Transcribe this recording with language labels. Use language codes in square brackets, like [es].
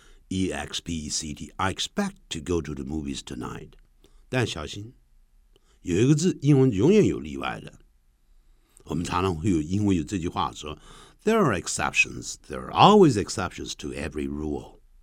[en] Expect, I expect to go to the movies tonight. [zh] 但小心，有一个字英文永远有例外的。我们常常会有英文有这句话说 [en] ,There are exceptions, there are always exceptions to every rule.